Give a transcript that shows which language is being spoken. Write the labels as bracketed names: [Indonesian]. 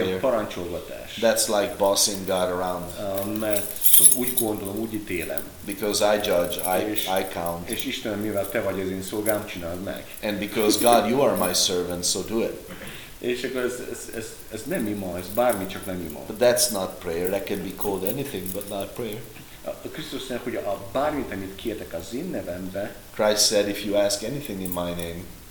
[Hungarian] Ez ilyen parancsolgatás. [English] That's like bossing God around. [Hungarian] Mert úgy gondolom, úgy ítélem. [English] Because I judge, I count. [Hungarian] És Istenem, mivel te vagy az én szolgám, csináld meg. [English] And because God, you are my servant, so do it. [Hungarian] És akkor ez nem ima, ez bármi, csak nem ima. [English] But that's not prayer. That can be called anything, but not prayer. [Hungarian] A Krisztus szerint, hogy a bármit, amit kértek az én nevembe, [English] Christ said, if you ask anything in my name,